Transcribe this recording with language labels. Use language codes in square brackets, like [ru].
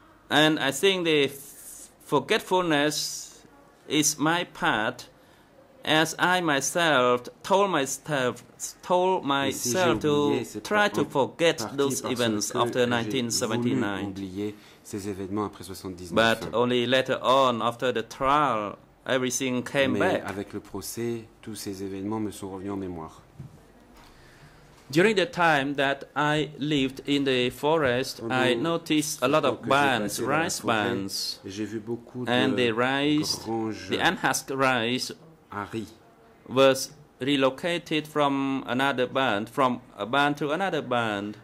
[en] And I think the forgetfulness is my part, as I myself told myself [fr] si oublié, [en] to try to forget those events after 1979. But only later on, after the trial, everything came [fr] Mais [en] back. [fr] Avec le procès, tous ces événements me sont revenus en mémoire. [en] During the time that I lived in the forest, I noticed a lot of barns, rice barns, and the rice, the unhusked rice, was relocated from another barn, from a barn to another barn.